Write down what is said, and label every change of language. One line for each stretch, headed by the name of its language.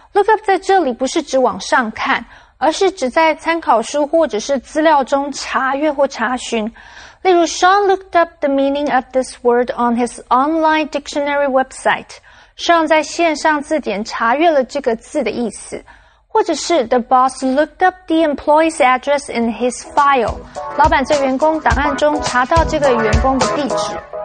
Chinese: look up 在这里不是指往上看，而是指在参考书或者是资料中查阅或查询。例如
English: ,Sean looked up the meaning of this word on his online dictionary website.
Chinese: Sean 在线上字典查阅了这个字的意思。或者是
English: the boss looked up the employee's address in his file.
Chinese: 老板在员工档案中查到这个员工的地址。